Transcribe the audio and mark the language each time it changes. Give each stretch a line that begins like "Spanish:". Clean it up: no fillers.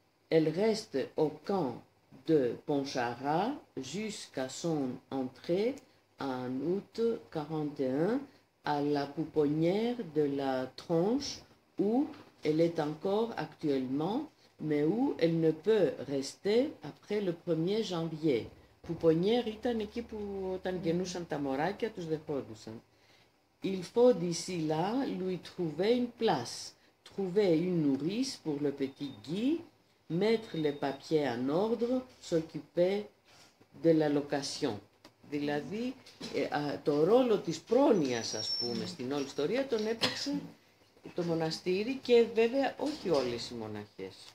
French: Elle reste au camp de Pontcharra jusqu'à son entrée en août 1941, à la pouponnière de la Tronche, où elle est encore actuellement, mais où elle ne peut rester après le 1er janvier. Pouponnière était
Greek: εκεί που όταν γεννούσαν τα μωράκια τους δεχόντουσαν.
French: Il faut d'ici là lui trouver une place, trouver une nourrice pour le petit Guy, mettre les papiers en ordre, s'occuper de la location.
Greek: Δηλαδή, το ρόλο της πρόνοιας, ας πούμε, στην όλη ιστορία τον έπαιξε το μοναστήρι και βέβαια όχι όλες οι μοναχές.